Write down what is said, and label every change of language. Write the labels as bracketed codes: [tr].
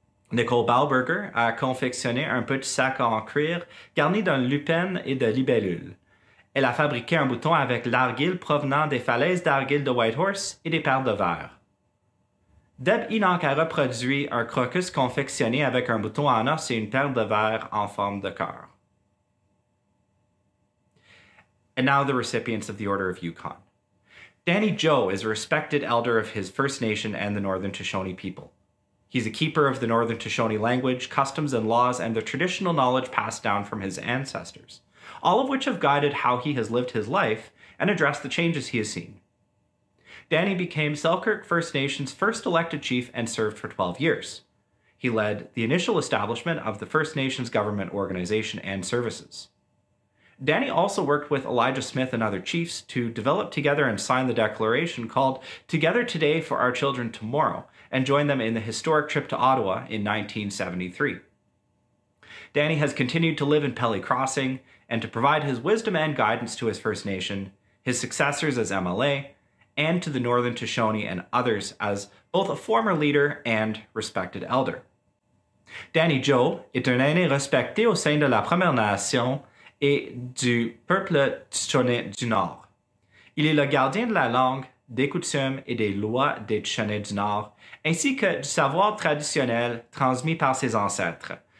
[fr] Nicole Bauberger a confectionné un petit sac en cuir garni d'un lupin et de libellules. Elle a fabriqué un bouton avec l'argile provenant des falaises d'argile de White Horse et des perles de verre. Deb Enoch a reproduit un crocus confectionné avec un bouton en os et une perle de verre en forme de cœur. [en] And now the recipients of the Order of Yukon. Danny Joe is a respected elder of his First Nation and the Northern Shoshone people. He's a keeper of the Northern Shoshone language, customs and laws, and the traditional knowledge passed down from his ancestors, all of which have guided how he has lived his life and addressed the changes he has seen. Danny became Selkirk First Nation's first elected chief and served for 12 years. He led the initial establishment of the First Nation's government organization and services. Danny also worked with Elijah Smith and other chiefs to develop together and sign the declaration called Together Today for Our Children Tomorrow and joined them in the historic trip to Ottawa in 1973. Danny has continued to live in Pelly Crossing and to provide his wisdom and guidance to his First Nation, his successors as MLA, and to the Northern Shoshone and others as both a former leader and respected elder. [fr] Danny Joe est un aîné respecté au sein de la Première Nation et du peuple Shoshone du Nord. Il est le gardien de la langue, des coutumes et des lois des Shoshone du Nord, ainsi que du savoir traditionnel transmis par ses ancêtres.